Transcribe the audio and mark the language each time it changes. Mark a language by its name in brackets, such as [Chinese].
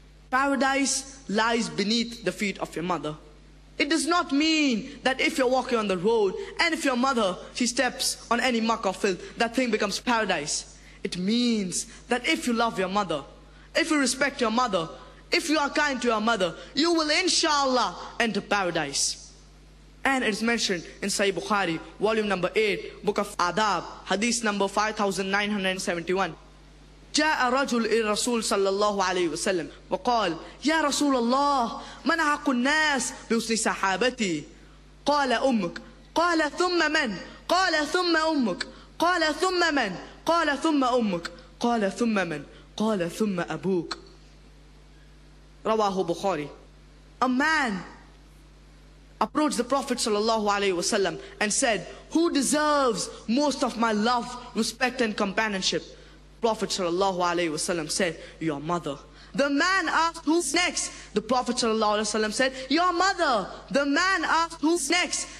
[English] Paradise lies beneath the feet of your mother. It does not mean that if you're walking on the road and if your mother, she steps on any muck or filth, that thing becomes paradise. It means that if you love your mother, if you respect your mother, if you are kind to your mother, you will inshallah enter paradise. And it is mentioned in Sahih Bukhari, volume number 8, Book of Adab, hadith number 5971. [Arabic] جاء رجل إلى الرسول صلى الله عليه وسلم وقال يا رسول الله من أحق الناس بحسن صحابتي قال أمك قال ثم من قال ثم أمك قال ثم من قال ثم أمك قال ثم من قال ثم أبوك رواه بخاري. [English] A man approached the Prophet sallallahu alaihi wasallam and said, Who deserves most of my love, respect and companionship? Prophet sallallahu alaihi wasallam said, Your mother. The man asked, Who's next? The Prophet sallallahu alaihi wasallam said, Your mother. The man asked, Who's next?